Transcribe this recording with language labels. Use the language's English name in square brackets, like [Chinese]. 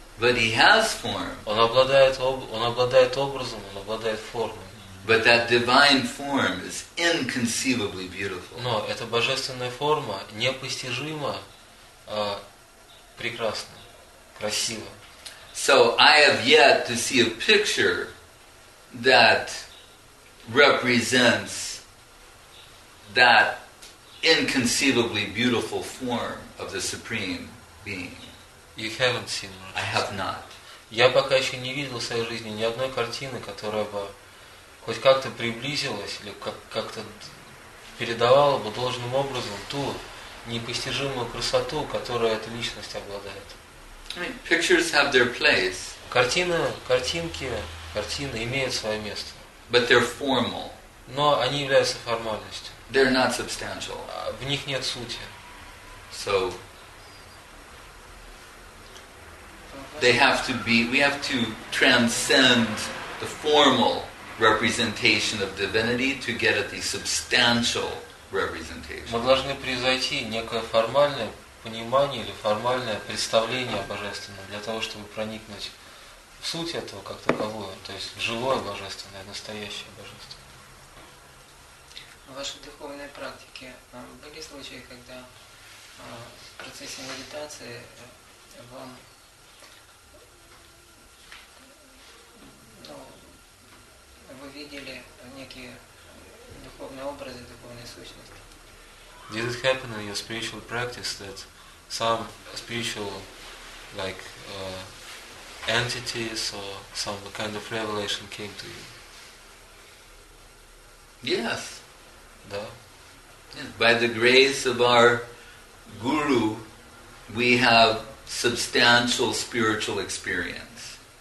[English] But he has form. [Russian] Он обладает образом, он обладает формой. [English] But that divine form is inconceivably beautiful. [Russian] Но эта божественная форма непостижима, прекрасна, красива. [English] So I have yet to see a picture that represents that inconceivably beautiful form of the Supreme Being. You haven't seen it. I have not. [Russian] Я пока еще не видел в своей жизни ни одной картины, которая бы хоть как-то приблизилась или как-то передавала бы должным образом ту непостижимую красоту, которую эта личность обладает. [English] Pictures have their place. [Russian] Картины имеют свое место. [English] But they're formal. [Russian] Но они являются формальностью. [English] They're not substantial. [Russian] В них нет сути. [English] So they have to be. We have to transcend the formal representation of divinity to get at the substantial representation. [Russian] Мы должны превзойти некое формальное понимание или формальное представление о божественном для того, чтобы проникнуть в суть этого как таковое, то есть в живое божественное, настоящее божество. В вашей духовной практике были случаи, когда в процессе медитации вам вы видели некие духовные образы, духовные сущности? [English] Did it happen in your spiritual practice that some spiritual like entities or some kind of revelation came to you? Yes. [Russian] Да. [English] Yes. By the grace of our guru, we have substantial spiritual experience.